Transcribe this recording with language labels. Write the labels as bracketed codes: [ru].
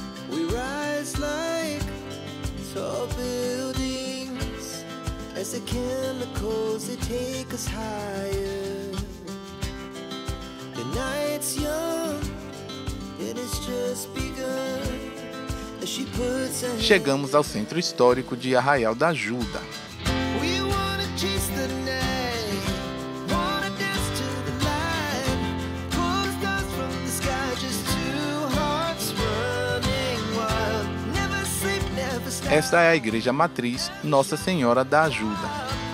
[en] We rise like tall buildings as the chemicals they take us higher. Night's young, it has just begun. As she puts her. [pt] Chegamos ao Centro Histórico de Arraial da Ajuda. [en] We wanna chase the night, wanna dance to the light. Pulls us from the sky, just two hearts running wild. Never sleep, never stop. [pt] Esta é a Igreja Matriz Nossa Senhora da Ajuda.